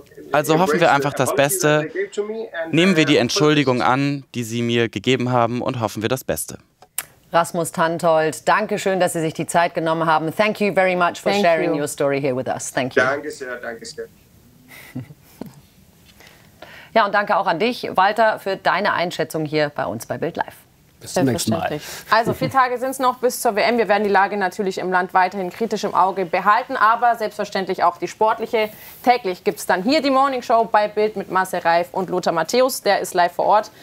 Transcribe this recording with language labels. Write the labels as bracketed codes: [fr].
[de] Also hoffen wir einfach das Beste, nehmen wir die Entschuldigung an, die sie mir gegeben haben und hoffen wir das Beste. Rasmus Tantold, danke schön, dass Sie sich die Zeit genommen haben. [en] Thank you very much for sharing your story here with us. Thank you. [de] Danke sehr, danke sehr. Ja, und danke auch an dich, Walter, für deine Einschätzung hier bei uns bei Bild Live. Bis zum nächsten Mal. Also 4 Tage sind es noch bis zur WM. Wir werden die Lage natürlich im Land weiterhin kritisch im Auge behalten, aber selbstverständlich auch die sportliche. Täglich gibt es dann hier die Morningshow bei Bild mit Marcel Reif und Lothar Matthäus. Der ist live vor Ort.